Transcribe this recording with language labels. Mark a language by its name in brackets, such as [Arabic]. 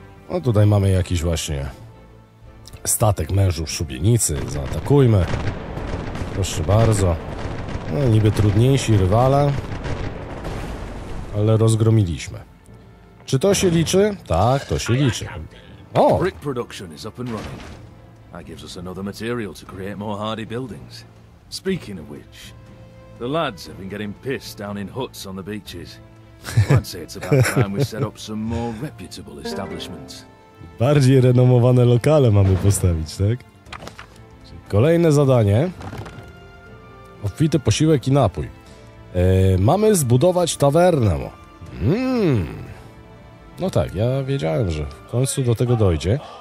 [Polish] No tutaj mamy jakiś właśnie statek mężów w szubienicy, zaatakujmy. Proszę bardzo. No niby trudniejsi rywale, ale rozgromiliśmy. Czy to się liczy? Tak, to się liczy. O! [English] Brick production is up and running. That gives us another material to create more hardy buildings. Speaking of which, the lads have been getting pissed down in huts on the beaches. I'd say it's about time we set up some more reputable establishments. [Polish] Bardziej renomowane lokale mamy postawić, tak? Kolejne zadanie. Obfity posiłek i napój. Mamy zbudować tawernę. No tak, ja wiedziałem, że w końcu do tego dojdzie.